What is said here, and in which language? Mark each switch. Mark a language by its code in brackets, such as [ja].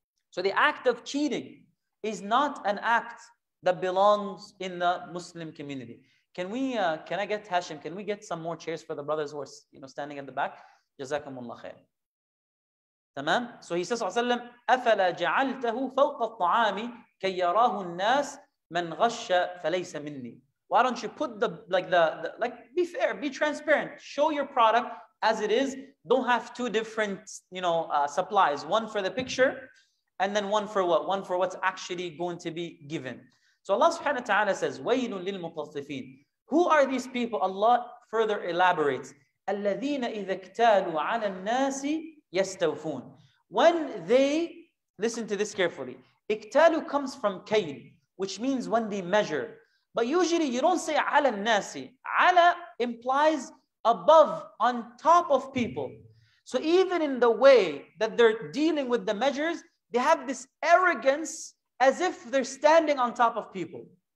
[en] So the act of cheating is not an act that belongs in the Muslim community. Can I get Hashim? Can we get some more chairs for the brothers who are, you know, standing in the back? Jazakumullah khair. Tamam? So he says, [ar] وسلم, أَفَلَا جَعَلْتَهُ فَوْقَ الطَّعَامِ كَيْ يَرَاهُ النَّاسِ مَنْ غَشَّ فَلَيْسَ مِنِّي. [en] Why don't you put be fair, be transparent. Show your product as it is. Don't have two different, you know, supplies. One for the picture, and then one for what? One for what's actually going to be given. So Allah subhanahu wa ta'ala says, [ar] وَيْلٌ لِلْمُطَفِّفِينَ. [en] Who are these people? Allah further elaborates, [ar] الَّذِينَ إِذَا اكْتَالُوا عَلَى النَّاسِ يَسْتَوْفُونَ. [en] When they, listen to this carefully, اكْتَالُوا comes from كَيْل, which means when they measure. But usually you don't say [ar] عَلَى النَّاسِ. [en] عَلَى implies above, on top of people. So even in the way that they're dealing with the measures, they have this arrogance as if they're standing on top of people.